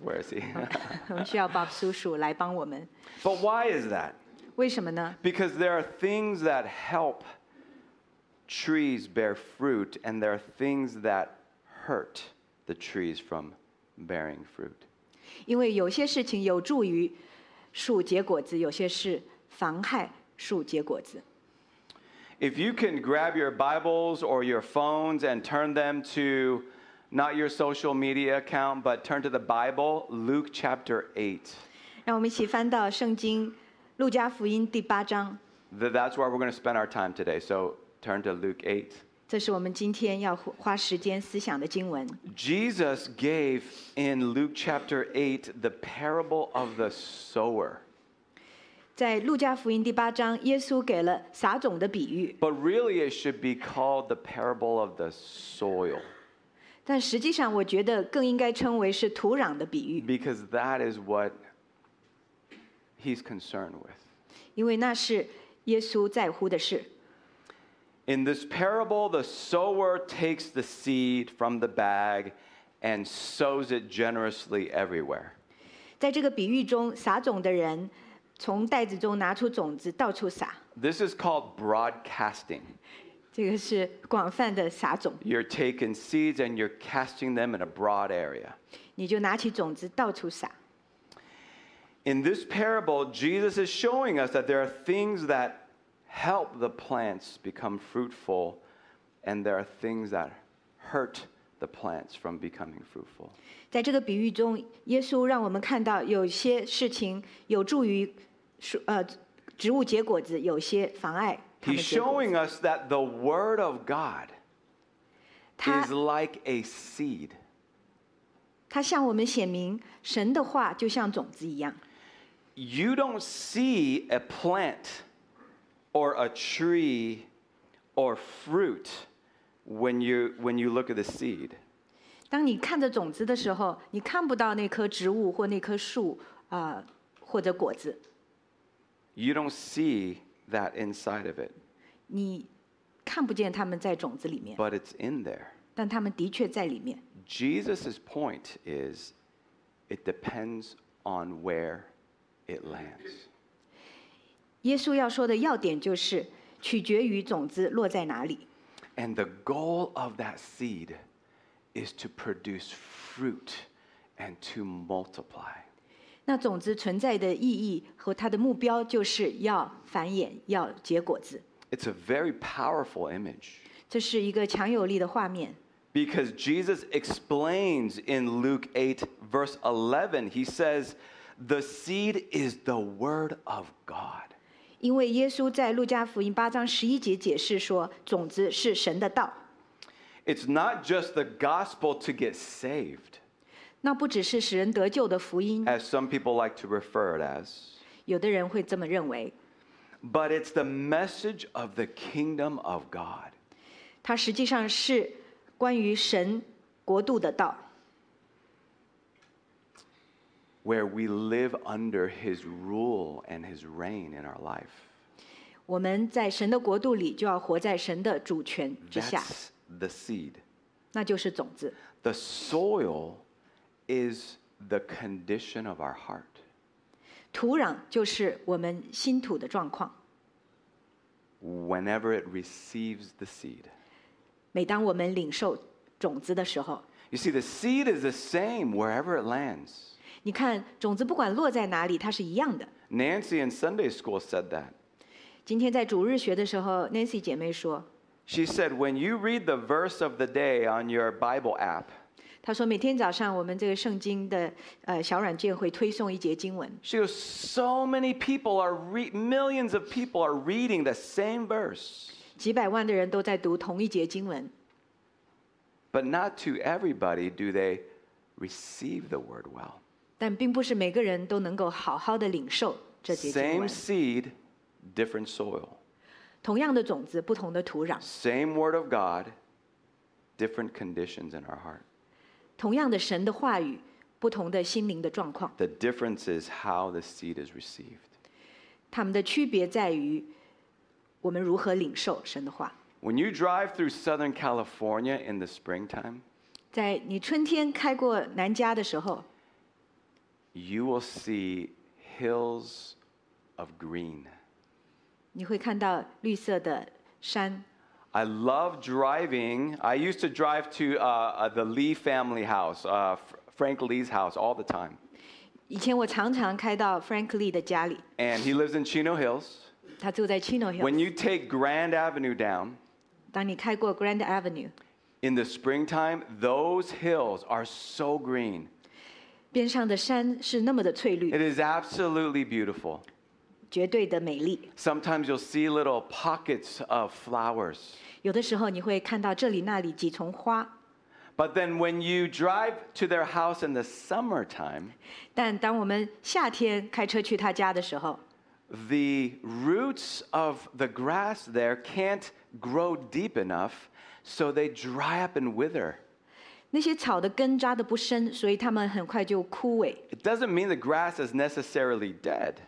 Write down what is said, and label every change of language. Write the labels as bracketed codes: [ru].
[en] Where is he? But why is that? [zh] 为什么呢? [en] Because there are things that help trees bear fruit, and there are things that hurt the trees from bearing fruit. [zh] 因为有些事情有助于树结果子, 有些事妨害树结果子。 [en] If you can grab your Bibles or your phones and turn them to not your social media account, but turn to the Bible, Luke chapter 8. [zh] 让我们一起翻到圣经，路加福音第八章。 [en] That's where we're going to spend our time today. So turn to Luke 8. [zh] 这是我们今天要花时间思想的经文。 [en] Jesus gave in Luke chapter 8 the parable of the sower. [zh] 在路加福音第八章，耶稣给了撒种的比喻。 [en] But really, it should be called the parable of the soil. [zh] 但实际上我觉得更应该称为是土壤的比喻。 [en] Because that is what he's concerned with. [zh] 因为那是耶稣在乎的事。 [en] In this parable, the sower takes the seed from the bag and sows it generously everywhere. [zh] 在这个比喻中，撒种的人从袋子中拿出种子，到处撒。 [en] This is called broadcasting. [zh] 这个是广泛的撒种。 [en] You're taking seeds and you're casting them in a broad area. [zh] 你就拿起种子到处撒。 [en] In this parable, Jesus is showing us that there are things that help the plants become fruitful, and there are things that hurt the plants from becoming fruitful. [zh] 在这个比喻中，耶稣让我们看到有些事情有助于植物结果子，有些妨碍。 [en] He's showing us that the word of God is like a seed. [zh] 他向我们显明，神的话就像种子一样。 [en] You don't see a plant or a tree or fruit when you look at the seed. [zh] 当你看着种子的时候，你看不到那棵植物或那棵树啊，或者果子。 [en] You don't see that inside of it. [zh] 你看不见他们在种子里面 [en] but it's in there. [zh] 但他们的确在里面。 [en] Jesus's point is, it depends on where it lands. [zh] 耶稣要说的要点就是取决于种子落在哪里。 [en] And the goal of that seed is to produce fruit and to multiply. [zh] 那种子存在的意义和它的目标就是要繁衍，要结果子。 [en] It's a very powerful image. [zh] 这是一个强有力的画面。 [en] Because Jesus explains in Luke 8, verse 11, he says, the seed is the word of God. [zh] 因为耶稣在路加福音八章十一节解释说，种子是神的道。 [en] It's not just the gospel to get saved. [zh] 那不只是使人得救的福音。 [en] As some people like to refer it as. [zh] 有的人会这么认为。 [en] But it's the message of the kingdom of God. [zh] 它实际上是关于神国度的道。 [en] Where we live under his rule and his reign in our life. [zh] 我们在神的国度里就要活在神的主权之下。 [en] That's the seed. [zh] 那就是种子。 [en] The soil is the condition of our heart. [zh] 土壤就是我们心土的状况。 [en] Whenever it receives the seed. [zh] 每当我们领受种子的时候。 [en] You see, the seed is the same wherever it lands. [zh] 你看种子不管落在哪里它是一样的。 [en] Nancy in Sunday school said that. [zh] 今天在主日学的时候 Nancy 姐妹说。 [en] She said, when you read the verse of the day on your Bible app, [zh] 他说每天早上我们这个圣经的小软件会推送一节经文。 [en] She goes, so many people are millions of people are reading the same verse. [zh] 几百万的人都在读同一节经文。 [en] But not to everybody do they receive the word well. [zh] 但并不是每个人都能够好好的领受这节经文。 [en] Same seed, different soil. [zh] 同样的种子，不同的土壤。 [en] Same word of God, different conditions in our heart. [zh] 同样的神的话语，不同的心灵的状况。 [en] The difference is how the seed is received. [zh] 它们的区别在于我们如何领受神的话。 [en] When you drive through Southern California in the springtime, [zh] 在你春天开过南加的时候， [en] you will see hills of green. [zh] 你会看到绿色的山。 [en] I love driving. I used to drive to the Lee family house, Frank Lee's house, all the time. [zh] 以前我常常开到 Frank Lee 的家里。 [en] And he lives in Chino Hills. [zh] 他住在 Chino Hills. [en] When you take Grand Avenue down, [zh] 当你开过 Grand Avenue, [en] in the springtime, those hills are so green. [zh] 边上的山是那么的翠绿。 [en] It is absolutely beautiful. [zh] 绝对的美丽。 [en] Sometimes you'll see little pockets of flowers. [zh] 有的时候你会看到这里那里几丛花。 [en] But then when you drive to their house in the summertime, [zh] 但当我们夏天开车去他家的时候， [en] the roots of the grass there can't grow deep enough, so they dry up and wither. [zh] 那些草的根扎得不深，所以它们很快就枯萎。 [en] It doesn't mean the grass is necessarily dead.